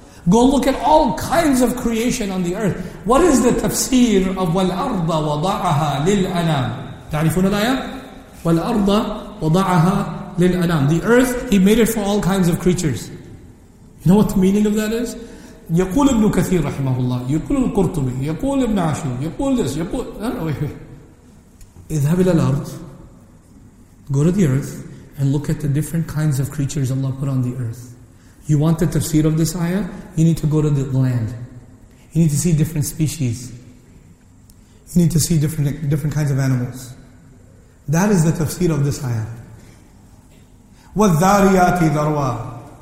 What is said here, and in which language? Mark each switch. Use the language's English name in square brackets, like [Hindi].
[English] Go look at all kinds of creation on the earth. What is the tafsir of wal arda wada'aha lil anam? Ta'rifuna al ayah? Wal arda wada'aha lil anam. The earth, He made it for all kinds of creatures. You know what the meaning of that is? [Arabic] يقول ابن كثير رحمه الله يقول القرطبي يقول ابن عاشور يقول this يقول اذهب الى الارض. [English] Go to the earth and look at the different kinds of creatures Allah put on the earth. You want the tafsir of this ayah? You need to go to the land. You need to see different species. You need to see different kinds of animals. That is the tafsir of this ayah. وَالذَّارِيَاتِ ذَرْوَى.